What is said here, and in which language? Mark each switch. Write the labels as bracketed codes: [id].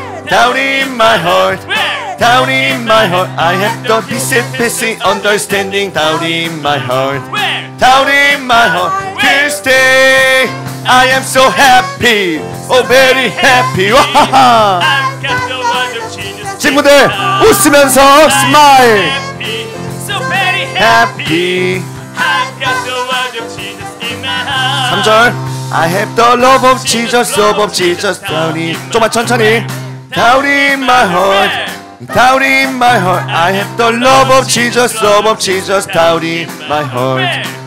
[en] Down in my heart, down in my heart. I have the peace at peace, understanding down in my heart. Down in my heart. This day, I am so happy, oh very happy. 와하하. [ko] 친구들, 웃으면서 smile. [en] So very happy. I've got the word of Jesus in my heart. [ko] 3절 [en] I have the love of Jesus, Jesus love of Jesus, Jesus down in my heart. [ko] 천천히 [en] down in my heart, down in my heart. I have the love of Jesus, love of Jesus down in my heart.